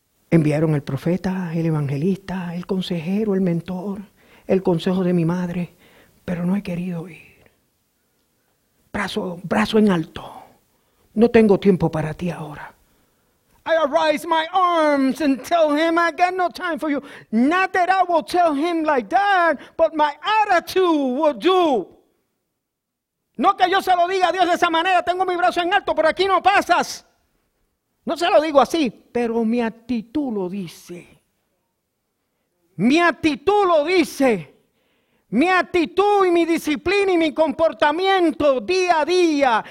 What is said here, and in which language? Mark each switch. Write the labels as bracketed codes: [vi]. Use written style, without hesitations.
[es] Enviaron el profeta, el evangelista, el consejero, el mentor, el consejo de mi madre, pero no he querido ir. Brazo en alto. No tengo tiempo para ti ahora. [en] I arise my arms and tell him I got no time for you. Not that I will tell him like that, but my attitude will do. [es] No que yo se lo diga a Dios de esa manera. Tengo mi brazo en alto, por aquí no pasas. No se lo digo así, pero mi actitud lo dice. Mi actitud lo dice. Mi actitud y mi disciplina y mi comportamiento día a día.